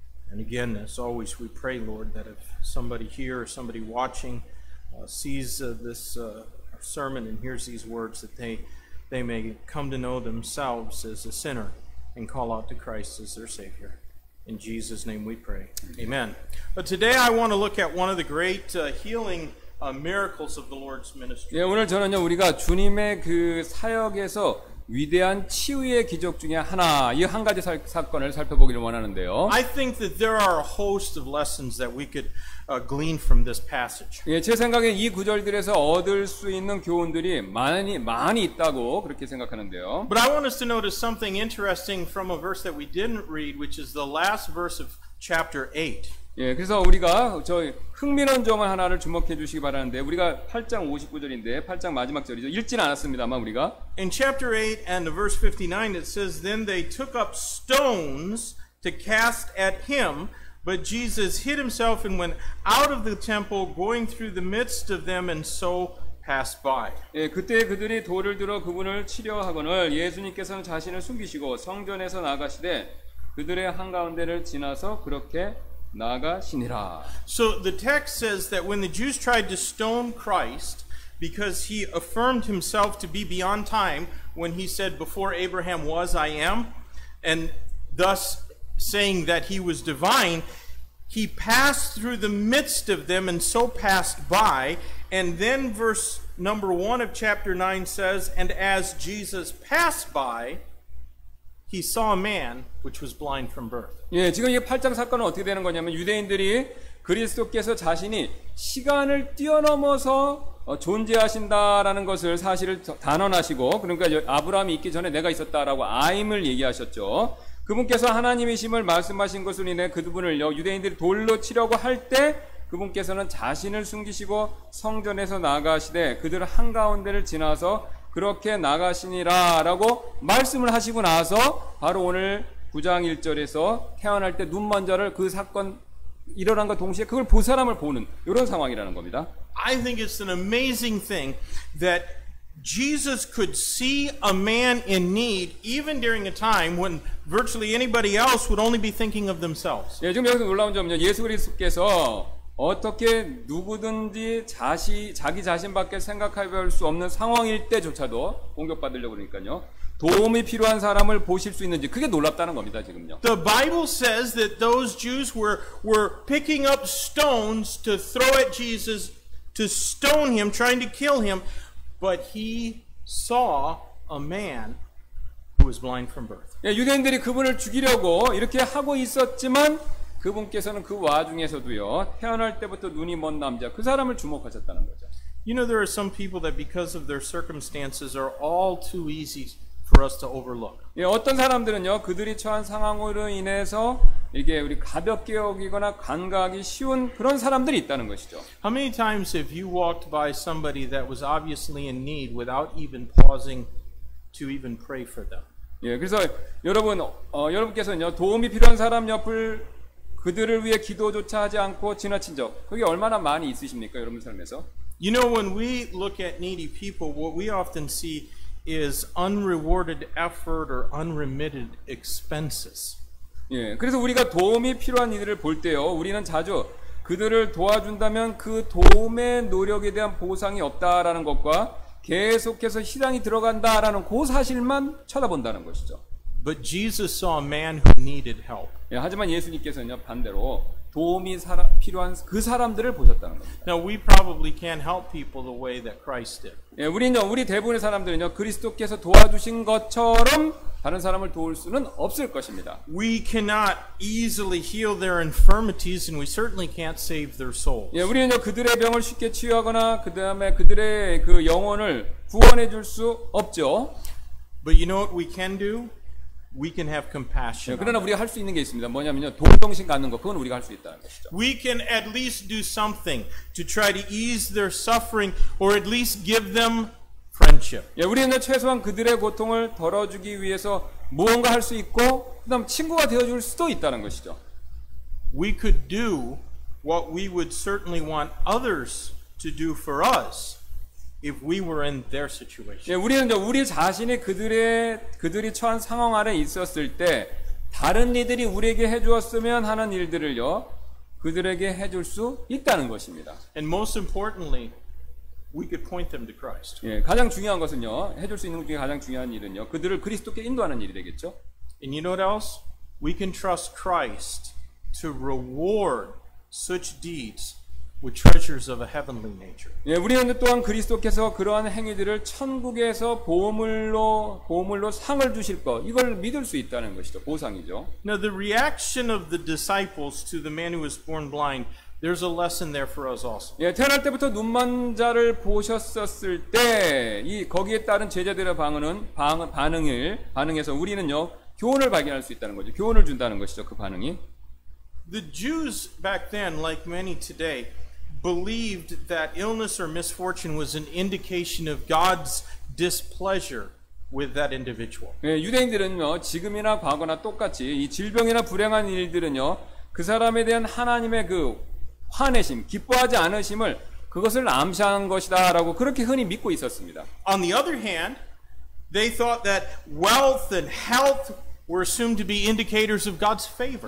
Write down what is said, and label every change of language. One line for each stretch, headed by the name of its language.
English: And again, as always, we pray, Lord, that if somebody here or somebody watching sees this sermon and hears these words, that they may come to know themselves as a sinner and call out to Christ as their Savior. In Jesus' name we pray. Amen. But today I want to look at one of the great healing miracles of the Lord's ministry.
Korean: 예, 오늘 저는요, 우리가 주님의 그 사역에서 위대한 치유의 기적 중에 하나, 이 한 가지 사건을 살펴보기를 원하는데요.
English: I think that there are a host of lessons that we could glean from this passage.
Korean: 예, 제 생각에 이 구절들에서 얻을 수 있는 교훈들이 많이 많이 있다고 그렇게 생각하는데요.
English: But I want us to notice something interesting from a verse that we didn't read, which is the last verse of chapter 8.
Korean: 예, 그래서 우리가 저 흥미로운 점을 하나를 주목해 주시기 바라는데 우리가 8장 59절인데 8장 마지막 절이죠. 읽지는 않았습니다만 우리가
English: In chapter 8 and verse 59 it says then they took up stones to cast at him But Jesus hid himself and went out of the temple, going through the midst of them, and so passed by.
Korean: 예, 그때 그들이 돌을 들어 그분을 치려 하거늘 예수님께서는 자신을 숨기시고 성전에서 나가시되 그들의 한 가운데를 지나서 그렇게 나가시니라.
English: So the text says that when the Jews tried to stone Christ because he affirmed himself to be beyond time when he said before Abraham was I am and thus saying that he was divine, he passed through the midst of them and so passed by. And then verse number 1 of chapter 9 says, and as Jesus passed by, he saw a man which was blind from birth.
Korean: 예, 지금 이 8장 사건은 어떻게 되는 거냐면 유대인들이 그리스도께서 자신이 시간을 뛰어넘어서 존재하신다라는 것을 사실을 단언하시고 그러니까 아브라함이 있기 전에 내가 있었다라고 아임을 얘기하셨죠. 그분께서 하나님이심을 말씀하신 것으로 인해 그분을 유대인들이 돌로 치려고 할 때 그분께서는 자신을 숨기시고 성전에서 나가시되 그들 한가운데를 지나서 그렇게 나가시니라 라고 말씀을 하시고 나서 바로 오늘 9장 1절에서 태어날 때 눈먼저를 그 사건 일어난 것 동시에 그걸 보 사람을 보는 이런 상황이라는 겁니다.
English: I think it's an amazing thing that Jesus could see a man in need even during a time when virtually anybody else would only be thinking of themselves.
Korean: 예, 지금 여기서 놀라운 점은요. 예수 그리스도께서 어떻게 누구든지 자기 자신밖에 생각할 수 없는 상황일 때조차도 공격받으려고 그러니까요. 도움이 필요한 사람을 보실 수 있는지 그게 놀랍다는 겁니다, 지금요.
English: The Bible says that those Jews were picking up stones to throw at Jesus to stone him trying to kill him. But he saw a man who was blind from birth.
Korean: 예, 유대인들이 그분을 죽이려고 이렇게 하고 있었지만 그분께서는 그 와중에서도요 태어날 때부터 눈이 먼 남자 그 사람을 주목하셨다는 거죠.
English: You know there are some people that because of their circumstances are all too easy for us to overlook.
Korean: 예, 어떤 사람들은요 그들이 처한 상황으로 인해서 이게 우리 가볍게 여기거나 간과하기 쉬운 그런 사람들이 있다는 것이죠.
English: How many times have you walked by somebody that was obviously in need without even pausing to even pray for them?
Korean: 예, 그래서 여러분 여러분께서는요 도움이 필요한 사람 옆을 그들을 위해 기도조차 하지 않고 지나친 적 그게 얼마나 많이 있으십니까 여러분 삶에서?
English: You know when we look at needy people, what we often see is unrewarded effort or unremitted expenses.
Korean: 예, 그래서 우리가 도움이 필요한 이들을 볼 때요, 우리는 자주 그들을 도와준다면 그 도움의 노력에 대한 보상이 없다라는 것과 계속해서 희생이 들어간다라는 그 사실만 쳐다본다는 것이죠.
English: But Jesus saw a man who needed help.
Korean: 예, 하지만 예수님께서는요 반대로 도움이 필요한 그 사람들을 보셨다는 겁니다.
English: Now we probably can't help people the way that Christ did.
Korean: 예, 우리는요 우리 대부분의 사람들은요 그리스도께서 도와주신 것처럼 다른 사람을 도울 수는 없을 것입니다.
English: We cannot easily heal their infirmities and we certainly can't save their souls.
Korean: 예, 우리는요 그들의 병을 쉽게 치유하거나 그다음에 그들의 그 영혼을 구원해 줄 수 없죠.
English: But you know what we can do? We can have compassion.
Korean: 그러나 우리가 할 수 있는 게 있습니다. 뭐냐면요, 동정심 갖는 거, 그건 우리가 할 수 있다는 것이죠.
English: We can at least do something to try to ease their suffering or at least give them friendship.
Korean: 예, 우리는 최소한 그들의 고통을 덜어주기 위해서 무언가 할 수 있고, 그다음 친구가 되어줄 수도 있다는 것이죠.
English: We could do what we would certainly want others to do for us. If we were in their situation,
Korean: 예, 우리는 이제 우리 자신이 그들이 처한 상황 아래 있었을 때 다른 이들이 우리에게 해주었으면 하는 일들을요 그들에게 해줄 수 있다는 것입니다.
English: And most importantly, we could point them to Christ.
Korean: 예, 가장 중요한 것은요 해줄 수 있는 것 중에 가장 중요한 일은요 그들을 그리스도께 인도하는 일이 되겠죠.
English: And you know what else? We can trust Christ to reward such deeds. With treasures of a heavenly nature.
Korean: 예, 우리는 또한 그리스도께서 그러한 행위들을 천국에서 보물로 상을 주실 것 이걸 믿을 수 있다는 것이죠. 보상이죠.
English: Now the reaction of the disciples to the man who was born blind, there's a lesson there for us also.
Korean: 예, 태어날 때부터 눈먼 자를 보셨었을 때 이 거기에 따른 제자들의 반응에서 우리는요 교훈을 발견할 수 있다는 거죠. 교훈을 준다는 것이죠. 그 반응이.
English: The Jews back then, like many today. Believed that illness or misfortune was an indication of God's displeasure with that individual.
Korean: 예, 유대인들은요 지금이나 과거나 똑같이 이 질병이나 불행한 일들은요 그 사람에 대한 하나님의 그 화내심, 기뻐하지 않으심을 그것을 암시한 것이다라고 그렇게 흔히 믿고 있었습니다.
English: On the other hand, they thought that wealth and health were assumed to be indicators of God's favor.